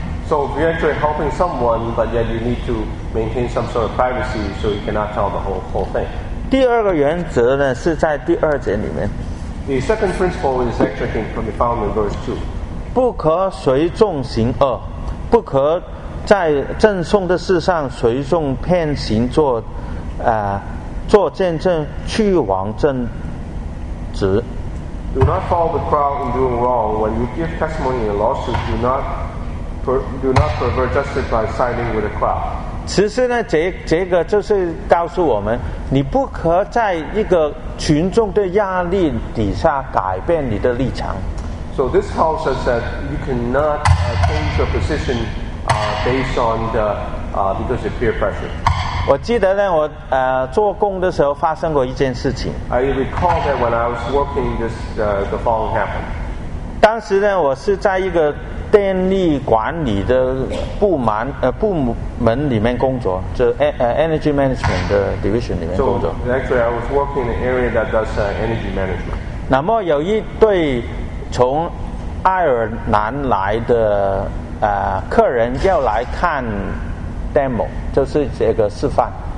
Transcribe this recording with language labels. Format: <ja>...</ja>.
<en>So if you're actually helping someone, but yet you need to maintain some sort of privacy, so you cannot tell the whole thing.</en> <zh>第二个原则呢，是在第二节里面。</zh> <en>The second principle is actually can be found in verse 2.</en> <zh>不可随众行恶，不可在赠送的事上随众偏行做做见证去往正直。</zh> <en>Do not follow the crowd in doing wrong. When you give testimony in a lawsuit, do not pervert justice by siding with the crowd.</en> <zh>其实呢，这个就是告诉我们，你不可在一个群众的压力底下改变你的立场。</zh> <en>So this tells us that you cannot change your position based on the because of peer pressure.</en> <zh>我记得呢，我做工的时候发生过一件事情。</zh> <en>I recall that when I was working, this the following happened.</en> <zh>当时呢，我是在一个电力管理的部门里面工作，就</zh> <en>energy management</en> <zh>的 division 里面工作。</zh> <en>So actually, I was working in an area that does energy management.</en> <zh>那么有一对从爱尔兰来的客人要来看。 Demo 就是这个示范。</zh>